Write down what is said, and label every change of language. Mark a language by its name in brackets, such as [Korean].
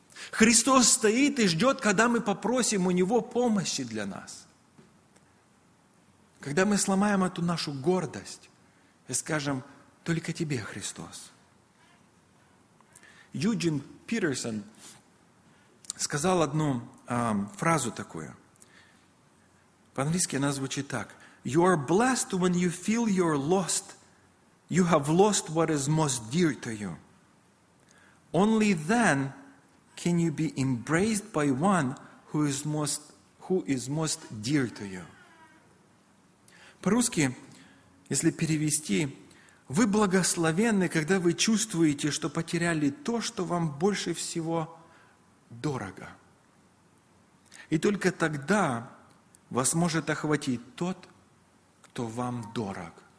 [Russian] Христос стоит и ждет, когда мы попросим у Него помощи для нас. Когда мы сломаем эту нашу гордость и скажем: «Только Тебе, Христос». Юджин Питерсон сказал одну фразу такую. По-английски она звучит так: [English] «You are blessed when you feel you're lost. You have lost what is most dear to you. Only then can you be embraced by one who is most dear to you?» [Russian] По-русски, если перевести, вы благословенны, когда вы чувствуете, что потеряли то, что вам больше всего дорого. И только тогда вас может охватить тот, кто вам дорог.